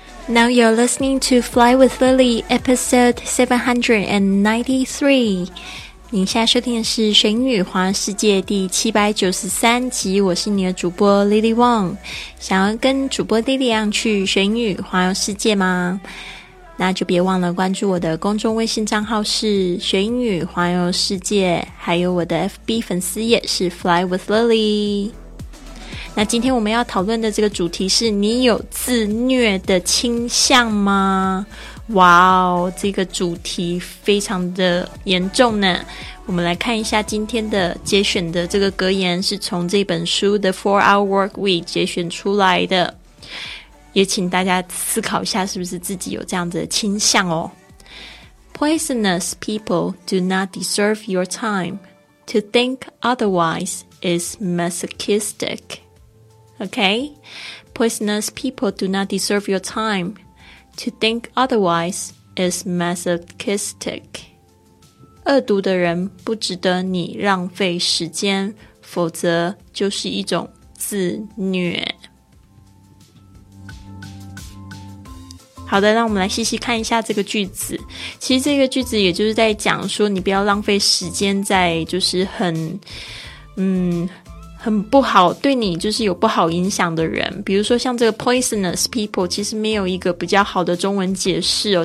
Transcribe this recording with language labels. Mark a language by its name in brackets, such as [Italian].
[English] Now you're listening to Fly with Lily, episode 793. [Chinese] 您现在收听的是《玄女环游世界》第793集，我是你的主播 Lily Wong。想要跟主播 Lily 一样去玄女环游世界吗？那就别忘了关注我的公众微信账号是《玄女环游世界》，还有我的 FB 粉丝页是 Fly with Lily。那今天我们要讨论的这个主题是你有自虐的倾向吗？哇哦，这个主题非常的严重呢。我们来看一下今天的节选的这个格言，是从这本书 The 4-Hour Work Week 节选出来的，也请大家思考一下是不是自己有这样子的倾向哦。 [English] Poisonous people do not deserve your time. To think otherwise is masochisticOkay, poisonous people do not deserve your time. To think otherwise is masochistic. [Chinese] 恶毒的人不值得你浪费时间，否则就是一种自虐。好的，让我们来细细看一下这个句子。其实这个句子也就是在讲说，你不要浪费时间在就是很不好，对你就是有不好影响的人，比如说像这个 poisonous people， 其实没有一个比较好的中文解释哦。